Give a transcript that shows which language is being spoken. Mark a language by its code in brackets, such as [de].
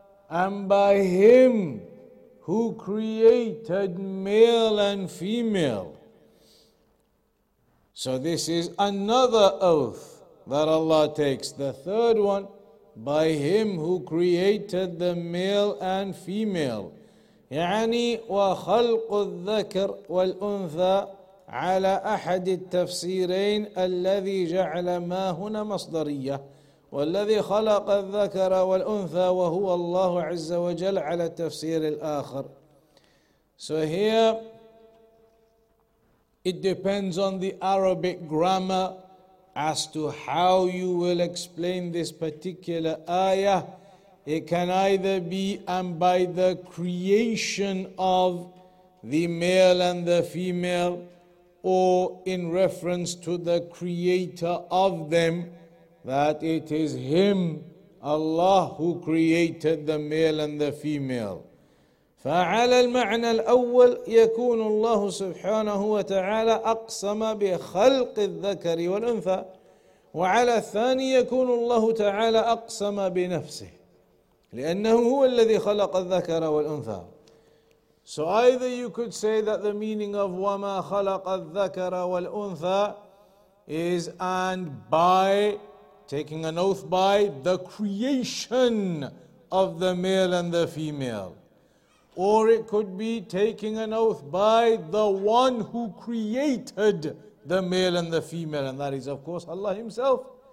[en] And by Him who created male and female. So this is another oath that Allah takes. The third one, by Him who created the male and female. [ar] يعني وَخَلْقُ الذَّكَرْ وَالْأُنْثَى على أحد التفسيرين الذي جعل ما هنا مصدرية والذي خلق الذكر والأنثى وهو الله عز وجل على التفسير الآخر. [en] So here it depends on the Arabic grammar as to how you will explain this particular ayah. It can either be and by the creation of the male and the female, or in reference to the creator of them, that it is Him, Allah, who created the male and the female. [ar] فعلى المعنى الأول يكون الله سبحانه وتعالى أقسم بخلق الذكر والأنثى وعلى الثاني يكون الله تعالى أقسم بنفسه لأنه هو الذي خلق الذكر والأنثى. [en] So either you could say that the meaning of [ar] وَمَا خَلَقَ الذَّكَرَ وَالْأُنْثَى [en] is and by, taking an oath by, the creation of the male and the female. Or it could be taking an oath by the one who created the male and the female, and that is of course Allah Himself.